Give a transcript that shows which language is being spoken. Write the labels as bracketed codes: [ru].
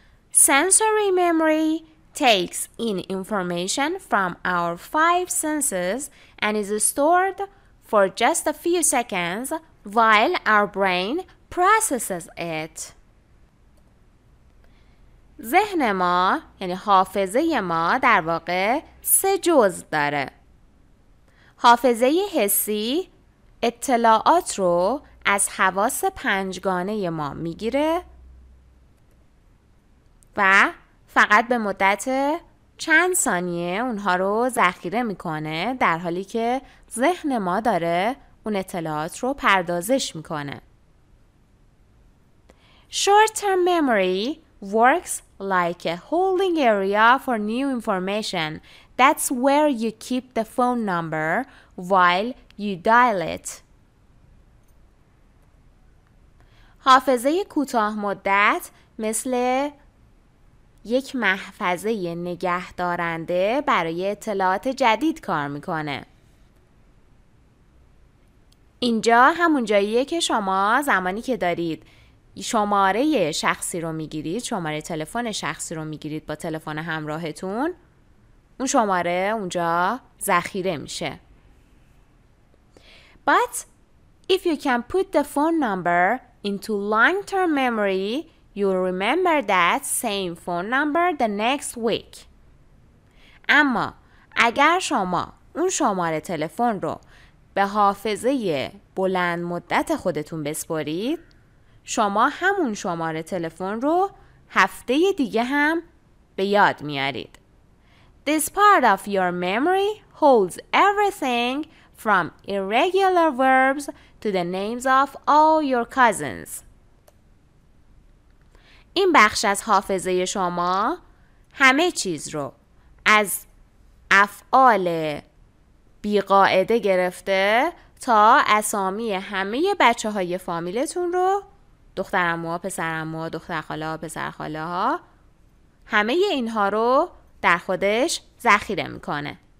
[en] Sensory memory takes in information from our five senses and is stored for just a few seconds while our brain processes it. [fa] ذهن ما یعنی حافظه ما در واقع سه جزء داره. حافظه حسی اطلاعات رو از حواس پنجگانه ما میگیره و فقط به مدت چند ثانیه اونها رو ذخیره میکنه، در حالی که ذهن ما داره اون اطلاعات رو پردازش میکنه. [en] Short-term memory works like a holding area for new information. That's where you keep the phone number while you dial it. [fa] حافظه کوتاه مدت مثل یک محفظه نگه دارنده برای اطلاعات جدید کار میکنه. اینجا همون جاییه که شما زمانی که دارید شماره شخصی رو میگیرید، شماره تلفن شخصی رو میگیرید با تلفن همراهتون، اون شماره اونجا ذخیره میشه. [en] But if you can put the phone number into long-term memory, you'll remember that same phone number the next week. [fa] اما اگر شما اون شماره تلفن رو به حافظه بلند مدت خودتون بسپارید، شما همون شماره تلفن رو هفته دیگه هم به یاد میارید. [en] This part of your memory holds everything from irregular verbs to the names of all your cousins. [fa] این بخش از حافظه شما همه چیز رو از افعال بیقاعده گرفته تا اسامی همه بچه های فامیلتون رو، دخترموها، پسرموها، دخترخاله ها، پسرخاله ها، همه اینها رو در خودش ذخیره میکنه.